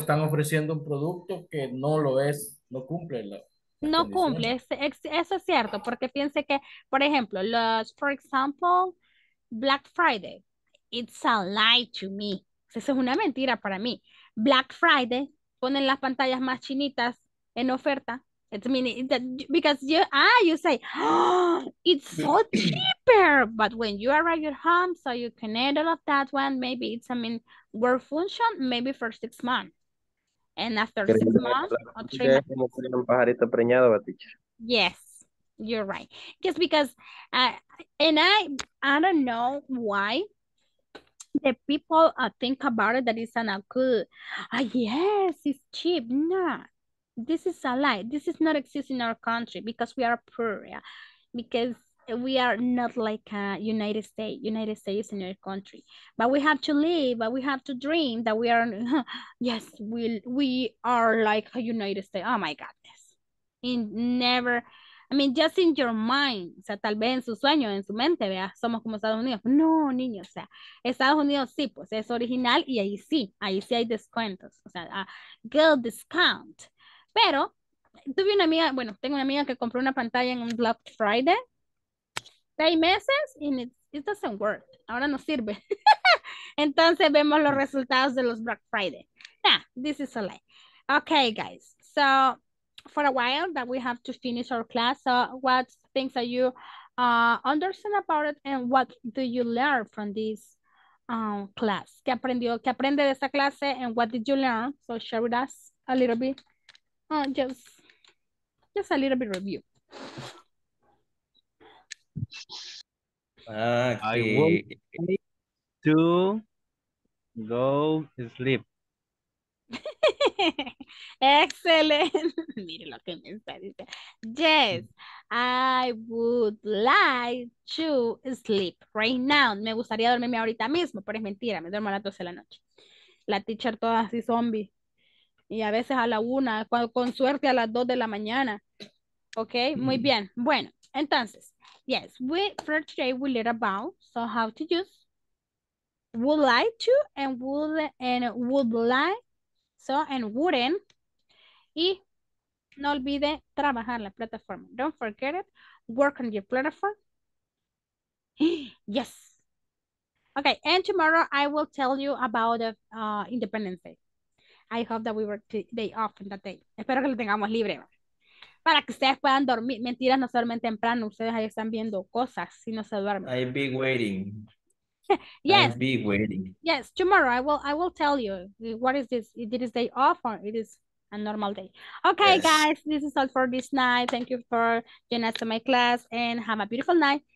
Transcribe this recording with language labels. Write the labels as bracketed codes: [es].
[es] Están ofreciendo un producto que no lo es, no cumple la... No cumple, eso es cierto, porque piense que, por ejemplo, los, [en] for example, Black Friday, it's a lie to me. [es] Esa es una mentira para mí. Black Friday, ponen las pantallas más chinitas en oferta. [en] It's mini, because you, you say, oh, it's so cheaper. But when you arrive at home, so you can add all of that one, maybe it's, I mean, work function, maybe for 6 months. And after 6 months, yes, you're right. Just because, and I don't know why the people think about it that it's not good. Yes, it's cheap. No, this is a lie. This is not exist in our country because we are poor. Yeah? Because we are not like United States. United States is a new country. But we have to live, but we have to dream that we are, yes, we are like a United States. Oh my goodness. In never, I mean, just in your mind. [es] O sea, tal vez en su sueño, en su mente, vea, somos como Estados Unidos. No, niños, o sea, Estados Unidos sí, pues es original y ahí sí hay descuentos. O sea, [en] girl discount. [es] Pero tuve una amiga, bueno, tengo una amiga que compró una pantalla en un Black Friday. 6 meses y [en] it doesn't work. [es] Ahora no sirve. Entonces vemos los resultados de los Black Friday. [en] Nah, this is a lie. Okay, guys. So for a while that we have to finish our class. So what things are you understand about it and what do you learn from this class? [es] ¿Qué aprendió? ¿Qué aprende de esta clase? [en] And what did you learn? So share with us a little bit. Just a little bit review. Okay. I want to go to sleep. Excellent. [es] Mire lo que me está diciendo. [en] Yes, I would like to sleep right now. [es] Me gustaría dormirme ahorita mismo, pero es mentira. Me duermo a las 12 de la noche. La teacher toda así zombie. Y a veces a la una, con suerte a las 2 de la mañana. Ok, muy bien. Bueno, entonces, [en] yes, for today we learn about so how to use would like to and would like. So, and wouldn't. [es] Y no olvide trabajar la plataforma. [en] Don't forget it. Work on your platform. Yes. Okay, and tomorrow I will tell you about the Independence Day. I hope that we work today off in that day. [es] Espero que lo tengamos libre. Para que ustedes puedan dormir. Mentiras, no se duermen temprano. Ustedes ahí están viendo cosas si no se duermen. [en] I'll be waiting. Yes. I'll be waiting. Yes, tomorrow I will tell you what is this. Is this day off or it is a normal day? Okay, yes. Guys, this is all for this night. Thank you for joining us in my class and have a beautiful night.